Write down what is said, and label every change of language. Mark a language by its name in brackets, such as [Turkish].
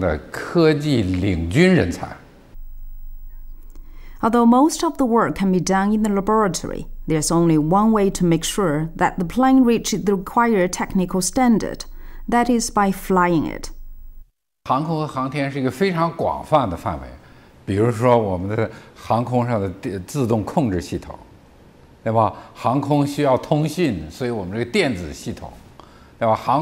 [Chinese] 我们就是创新型的科技领军人才。 [English] Although most of the work can be done in the laboratory, there's only one way to make sure that the plane reaches the required technical standard, that is by flying it. [Chinese] 航空和航天是一个非常广泛的范围。比如说我们的航空上的自动控制系统，对吧？航空需要通信，所以我们这个电子系统，对吧？